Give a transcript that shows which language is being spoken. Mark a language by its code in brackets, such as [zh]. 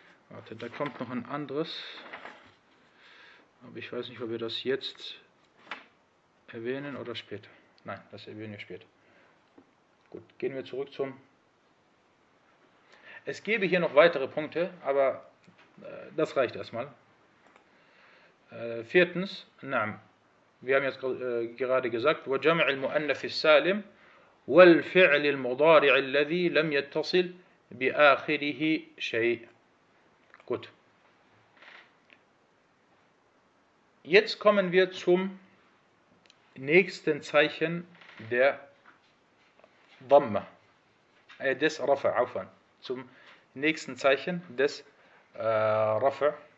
[de] Warte, da kommt noch ein anderes, aber ich weiß nicht, ob wir das jetzt erwähnen oder später. Nein, das erwähnen wir später. Gut, gehen wir zurück zum... Es gäbe hier noch weitere Punkte, aber das reicht erstmal. Viertens, na'am, wir haben jetzt gerade gesagt, [ar] وَجَمْعِ الْمُؤَنَّفِ السَّالِمِ وَالْفِعْلِ الْمُضَارِعِ الَّذِي لَمْ يَتَّصِلْ بِآخِرِهِ شَيْءٍ. [de] Gut. Jetzt kommen wir zum nächsten Zeichen der Dhamma, des Rafa, aufwand. Zum nächsten Zeichen des Rafa.